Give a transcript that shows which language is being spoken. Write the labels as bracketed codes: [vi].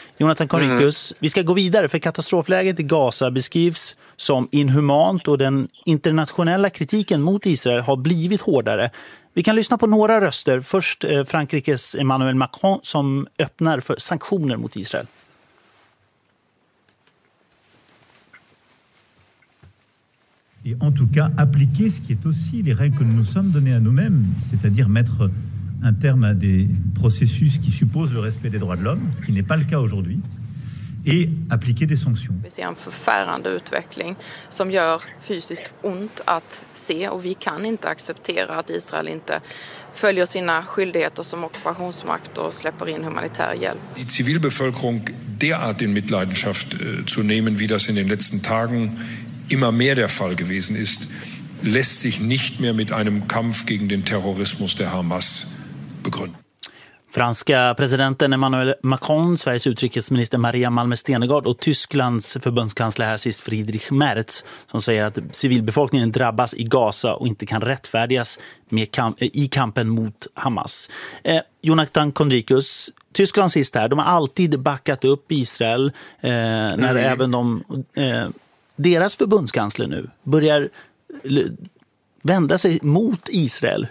[sv] Jonathan Kondrikus, vi ska gå vidare, för katastrofläget i Gaza beskrivs som inhumant och den internationella kritiken mot Israel har blivit hårdare. Vi kan lyssna på några röster. Först Frankrikes Emmanuel Macron som öppnar för sanktioner mot Israel. [fr] Et en tout cas appliquer ce qui est aussi les règles que nous nous sommes données à nous-mêmes, c'est-à-dire mettre un terme à des processus qui supposent le respect des droits de l'homme, ce qui n'est pas le cas aujourd'hui, et appliquer des sanctions. [sv] Vi ser en förfärande utveckling som gör fysiskt ont att se, och vi kan inte acceptera att Israel inte följer sina skyldigheter som ockupationsmakt och släpper in humanitär hjälp. [de] Die Zivilbevölkerung derart in Mitleidenschaft zu nehmen, wie das in den letzten Tagen immer mehr der Fall gewesen ist, lässt sich nicht mehr mit einem Kampf gegen den Terrorismus der Hamas begründen. [sv] Franska presidenten Emmanuel Macron, Sveriges utrikesminister Maria Malmö Stenegard och Tysklands förbundskansler här sist Friedrich Merz, som säger att civilbefolkningen drabbas i Gaza och inte kan rättfärdigas med i kampen mot Hamas. Jonathan Kondrikus, Tyskland sist här, de har alltid backat upp Israel när även de, deras förbundskansler nu börjar vända sig mot Israel.